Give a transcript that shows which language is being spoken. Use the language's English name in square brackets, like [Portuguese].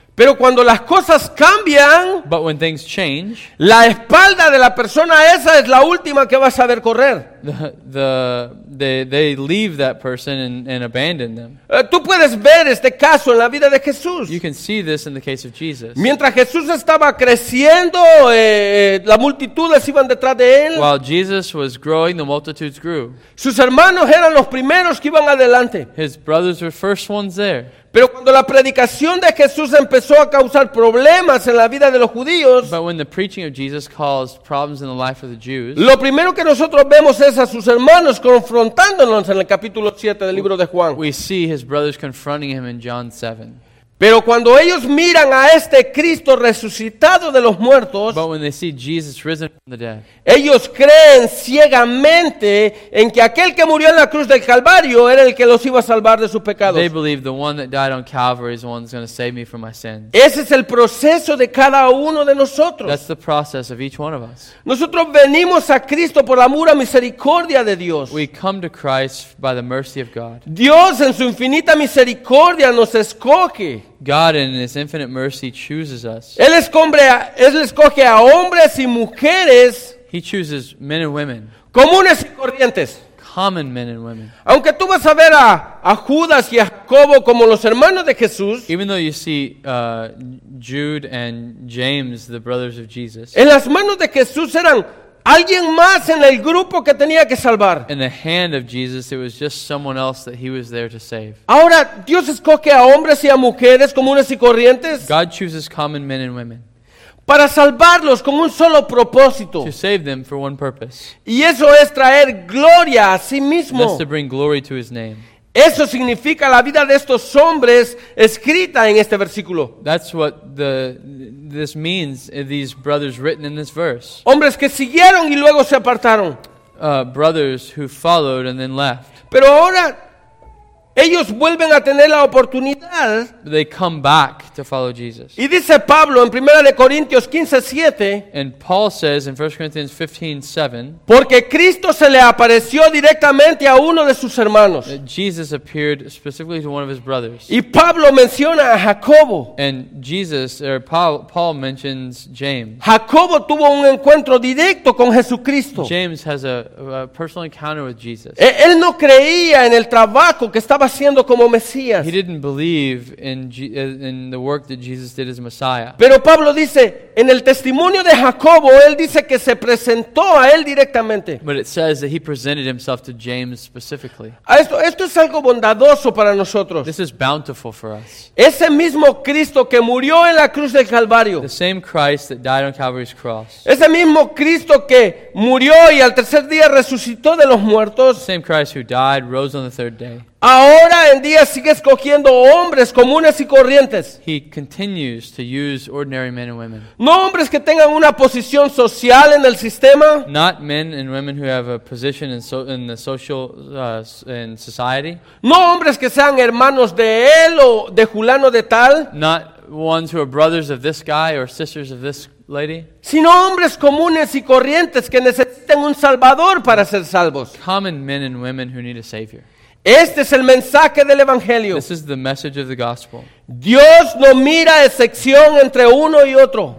[Spanish] Pero cuando las cosas cambian, [English] but when things change, [Spanish] la espalda de la persona esa es la última que vas a ver correr. [English] They leave that person and abandon them. [Spanish] Tú puedes ver este caso en la vida de Jesús. [English] You can see this in the case of Jesus. [Spanish] Mientras Jesús estaba creciendo, la multitud les iban detrás de él. [English] While Jesus was growing, the multitudes grew. [Spanish] Sus hermanos eran los primeros que iban adelante. [English] His brothers were first ones there. [Spanish] Pero cuando la predicación de Jesús empezó a causar problemas en la vida de los judíos, [English] but when the preaching of Jesus caused problems in the life of the Jews, [Spanish] lo primero que nosotros vemos es a sus hermanos confrontándonos en el capítulo 7 del libro de Juan. [English] We see his brothers confronting him in John 7. [Spanish] Pero cuando ellos miran a este Cristo resucitado de los muertos, [English] but when they see Jesus risen from the dead, [Spanish] ellos creen ciegamente en que aquel que murió en la cruz del Calvario era el que los iba a salvar de sus pecados. [English] They believe the one that died on Calvary is the one that's going to save me from my sins. [Spanish] Ese es el proceso de cada uno de nosotros. [English] That's the process of each one of us. [Spanish] Nosotros venimos a Cristo por la pura misericordia de Dios. [English] We come to Christ by the mercy of God. [Spanish] Dios en su infinita misericordia nos escoge. [English] God in his infinite mercy chooses us. [Spanish] Él escoge a hombres y mujeres. [English] He chooses men and women. [Spanish] Comunes y corrientes. [English] Common men and women. [Spanish] Aunque tú vas a ver a Judas y a Jacobo como los hermanos de Jesús, [English] even though you see Jude and James, the brothers of Jesus, [Spanish] en las manos de Jesús eran alguien más en el grupo que tenía que salvar. [English] In the hand of Jesus, it was just someone else that he was there to save. [Spanish] Ahora, Dios escoge a hombres y a mujeres comunes y corrientes. [English] God chooses common men and women. [Spanish] Para salvarlos con un solo propósito. [English] To save them for one purpose. [Spanish] Y eso es traer gloria a sí mismo. [English] That's to bring glory to his name. [Spanish] Eso significa la vida de estos hombres escrita en este versículo. [English] That's what this means, these brothers written in this verse. [Spanish] Hombres que siguieron y luego se apartaron. [English] Brothers who followed and then left. [Spanish] Pero ahora ellos vuelven a tener la oportunidad. [English] They come back to follow Jesus. [Spanish] Y dice Pablo en 1 Corintios 15:7. [English] And Paul says in 1 Corinthians 15:7. [Spanish] Porque Cristo se le apareció directamente a uno de sus hermanos. [English] Jesus appeared specifically to one of his brothers. [Spanish] Y Pablo menciona a Jacobo. [English] And Paul mentions James. [Spanish] Jacobo tuvo un encuentro directo con Jesucristo. [English] James has a personal encounter with Jesus. [Spanish] Él no creía en el trabajo que estaba haciendo como Mesías. [English] He didn't believe in the work that Jesus did as Messiah. [Spanish] Pero Pablo dice, en el testimonio de Jacobo, él dice que se presentó a él directamente. [English] But it says that he presented himself to James specifically. [Spanish] Esto es algo bondadoso para nosotros. [English] This is bountiful for us. [Spanish] Ese mismo Cristo que murió en la cruz del Calvario. [English] The same Christ that died on Calvary's cross. [Spanish] Ese mismo Cristo que murió y al tercer día resucitó de los muertos. [English] The same Christ who died, rose on the third day. [Spanish] Ahora en día sigue escogiendo hombres comunes y corrientes. [English] He continues to use ordinary men and women. [Spanish] No hombres que tengan una posición social en el sistema. [English] Not men and women who have a position in the social in society. [Spanish] No hombres que sean hermanos de él o de fulano de tal. [English] Not ones who are brothers of this guy or sisters of this lady. [Spanish] Sino hombres comunes y corrientes que necesiten un salvador para ser salvos. [English] Common men and women who need a savior. [Spanish] Este es el mensaje del Evangelio. [English] This is the message of the gospel. [Spanish] Dios no mira excepción entre uno y otro.